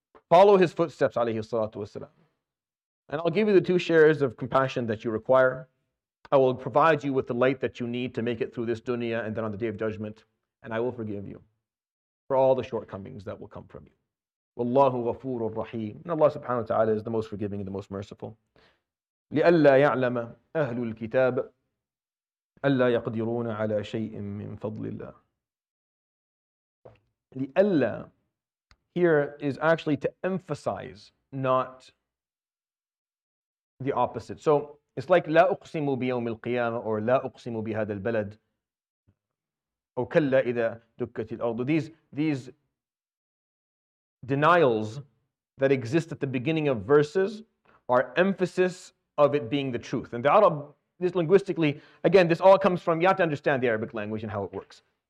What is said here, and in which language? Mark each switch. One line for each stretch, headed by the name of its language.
English: Follow his footsteps, alayhi salatu wasalam. And I'll give you the two shares of compassion that you require. I will provide you with the light that you need to make it through this dunya and then on the day of judgment. And I will forgive you for all the shortcomings that will come from you.
Arabic: Wallahu ghafoor rahim.
English: And Allah subhanahu wa ta'ala is the most forgiving and the most merciful.
Arabic: لِأَلَّا يَعْلَمَ أَهْلُ الْكِتَابِ أَلَّا يَقْدِرُونَ عَلَى شَيْءٍ مِّن فَضْلِ اللَّهِ لِأَلَّا
English: Here is actually to emphasize, not the opposite. So it's like
Arabic: لا أقسم بيوم القيامة or لا أقسم بهذا البلد أو كلا إذا دكت الأرض.
English: These denials that exist at the beginning of verses are emphasis of it being the truth. And the Arab, this linguistically, again, this all comes from, you have to understand the Arabic language and how it works.